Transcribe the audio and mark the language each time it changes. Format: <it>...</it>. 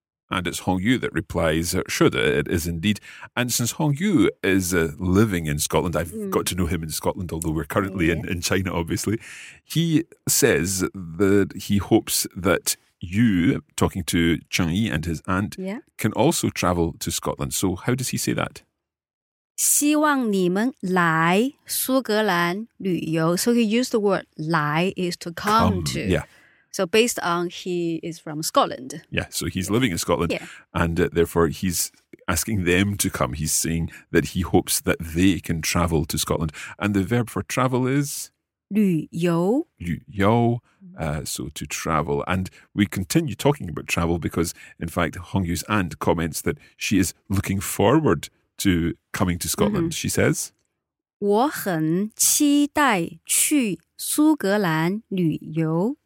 <en>And it's Hong Yu that replies, sure, that it is indeed. And since Hong Yu is living in Scotland, I've got to know him in Scotland, although we're currently in China, obviously. He says that he hopes that you, talking to Cheng Yi and his aunt, can also travel to Scotland. So how does he say that?</en> <zh>希望你们来苏格兰旅游.</zh> <en>So he used the word 来 is to come to. Yeah. So based on he is from Scotland. Yeah, so he's living in Scotland. Yeah. And therefore he's asking them to come. He's saying that he hopes that they can travel to Scotland. And the verb for travel is?</en> <zh>旅游。</zh> <en>旅游, so to travel. And we continue talking about travel because, in fact, Hong Yu's aunt comments that she is looking forward to coming to Scotland. Mm-hmm. She says?</en> <zh>我很期待去苏格兰旅游。</zh>